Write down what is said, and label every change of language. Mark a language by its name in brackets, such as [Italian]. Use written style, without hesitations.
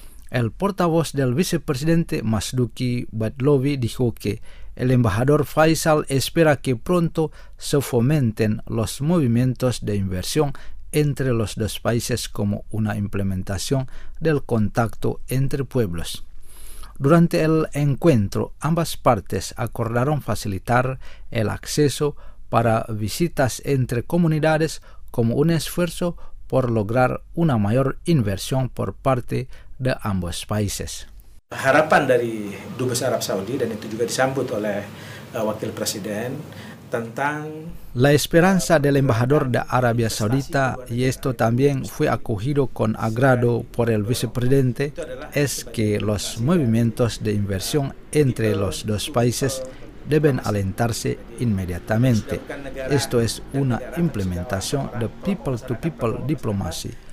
[Spanish] El portavoz del vicepresidente, Masduki Badlovi, dijo que el embajador Faisal espera que pronto se fomenten los movimientos de inversión entre los dos países como una implementación del contacto entre pueblos. Durante el encuentro, ambas partes acordaron facilitar el acceso para visitas entre comunidades como un esfuerzo por lograr una mayor inversión por parte de ambos países. [Indonesian] Harapan dari Dubes Arab Saudi, dan itu juga disambut oleh Wakil Presiden, tentang [Spanish] la esperanza del embajador de Arabia Saudita, y esto también fue acogido con agrado por el vicepresidente, es que los movimientos de inversión entre los dos países deben alentarse inmediatamente. Esto es una implementación de people-to-people diplomacy.